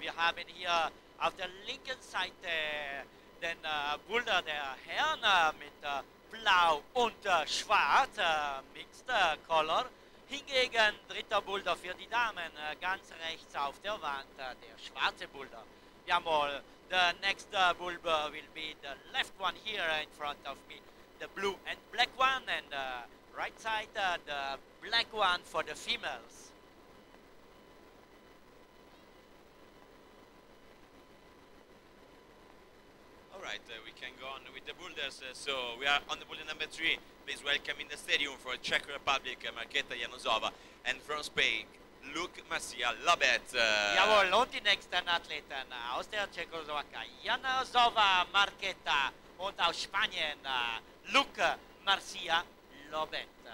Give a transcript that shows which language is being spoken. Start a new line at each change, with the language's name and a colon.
German: Wir haben hier auf der linken Seite den Boulder der Herren mit blau und schwarz, mixed color. Hingegen dritter Boulder für die Damen, ganz rechts auf der Wand, der schwarze Boulder. Jawohl,
English: the next Boulder will be the left one here in front of me, the blue and black one, and right side, the black one for the females. All right, we can go on with the boulders. So we are on the boulder number 3. Please welcome in the stadium for Czech Republic, Markéta Janosova, and from Spain, Luke Marcia Lobet.
German: Jawohl, und die nächsten Athleten aus der Tschechoslowakei, Janosova Markéta, und aus Spanien, Luke Marcia Lobet.